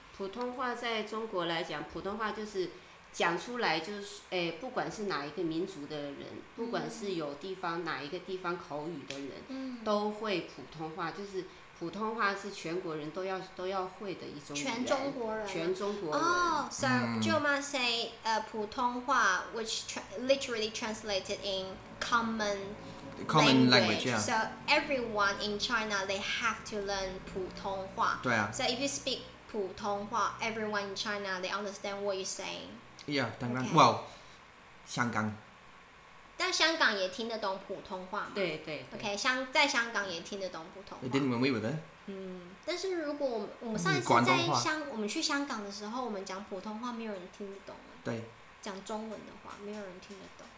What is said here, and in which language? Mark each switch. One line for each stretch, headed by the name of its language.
Chinese: 普通话在中国来讲普通话就是讲出来就是，欸，不管是哪一个民族的人，不管是有地方哪一个地方口语的人，都会普通话，就是普通话是全国人都要会的一种语言。全中国人。全中国人。
English: Oh, so you must say, 普通话 which literally translated in common language, yeah. So everyone in China they have to learn 普通话。
Chinese: 对啊。
English: So if you speak 普通话 everyone in China they understand what you're saying.
Chinese: Yeah, 当然 Well, 香港。但香港也听得懂普通话吗？对对。 Okay, 香在香港也听得懂普通话。
English: They didn't when we were there.
Chinese: 但是如果我们上一次在香，我们去香港的时候，我们讲普通话，没有人听得懂。对。讲中文的话，没有人听得懂。